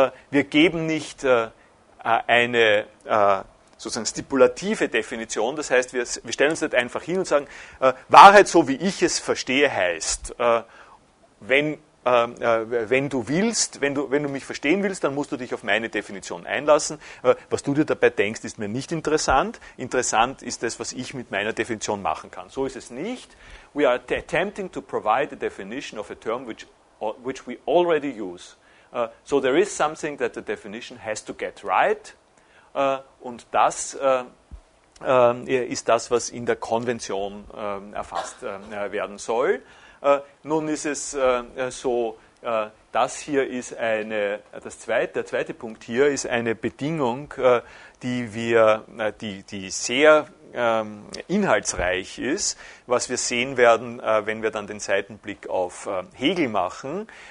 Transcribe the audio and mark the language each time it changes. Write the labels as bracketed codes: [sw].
[de] Wir geben nicht eine sozusagen stipulative Definition, das heißt, wir stellen uns nicht einfach hin und sagen, Wahrheit, so wie ich es verstehe, heißt, wenn du mich verstehen willst, dann musst du dich auf meine Definition einlassen. Was du dir dabei denkst, ist mir nicht interessant. Interessant ist das, was ich mit meiner Definition machen kann. So ist es nicht. [en] We are attempting to provide a definition of a term which we already use. So there is something that the definition has to get right. [de] Und das ist das, was in der Konvention erfasst werden soll. Nun ist es so, das hier ist eine, das zweite, der zweite Punkt hier ist eine Bedingung, die wir, die sehr inhaltsreich ist, was wir sehen werden, wenn wir dann den Seitenblick auf Hegel machen.